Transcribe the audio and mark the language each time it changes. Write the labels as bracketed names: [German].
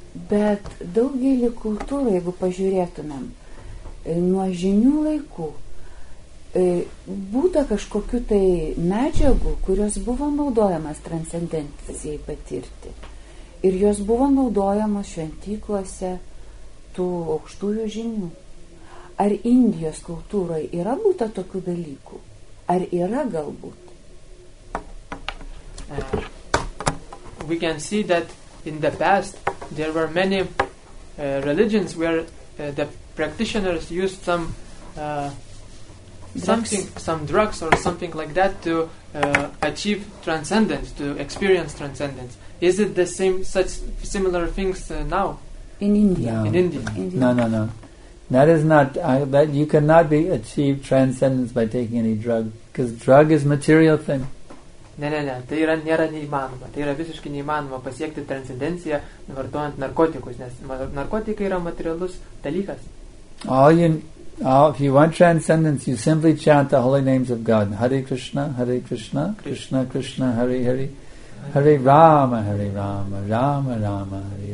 [Lithuanian] Bet daugelį kultūrų, jeigu pažiūrėtumėm, nuo žinių laikų būta kažkokių tai medžiagų, kurios buvo naudojamas transcendencijai patirti. Ir jos buvo naudojamos šventyklose tų aukštųjų žinių. Ar Indijos kultūroje yra būta tokių dalykų? Ar yra galbūt? [English] We can see that in the past there were many religions where the practitioners used some some drugs or something like that to achieve transcendence, to experience transcendence. Is it the same, such similar things now? In India. No. That is not, that you cannot be achieve transcendence by taking any drug, because drug is material thing. [Lithuanian] Ne, tai yra, nėra neįmanoma. Tai yra visiškai neįmanoma pasiekti transcendenciją vartojant narkotikus, nes narkotikai yra materialus dalykas. [English] If you want transcendence, you simply chant the holy names of God. [Sanskrit] Hare Krishna, Krishna, Krishna, Hare Hare, Hare Rama, Rama, Rama, Hare.